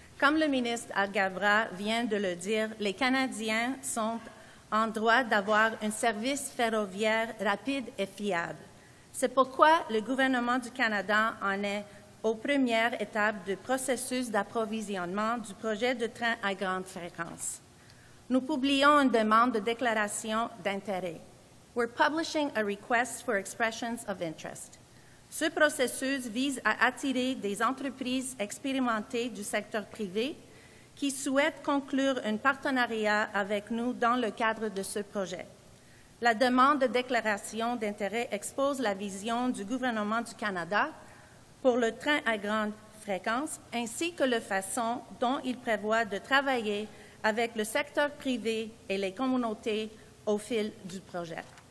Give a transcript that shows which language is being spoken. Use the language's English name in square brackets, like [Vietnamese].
[French] Comme le ministre Alghabra vient de le dire, les Canadiens sont en droit d'avoir un service ferroviaire rapide et fiable. C'est pourquoi le gouvernement du Canada en est aux premières étapes du processus d'approvisionnement du projet de train à grande fréquence. Nous publions une demande de déclaration d'intérêt. [English] We're publishing a request for expressions of interest. [French] Ce processus vise à attirer des entreprises expérimentées du secteur privé qui souhaitent conclure un partenariat avec nous dans le cadre de ce projet. La demande de déclaration d'intérêt expose la vision du gouvernement du Canada pour le train à grande fréquence ainsi que la façon dont il prévoit de travailler avec le secteur privé et les communautés au fil du projet.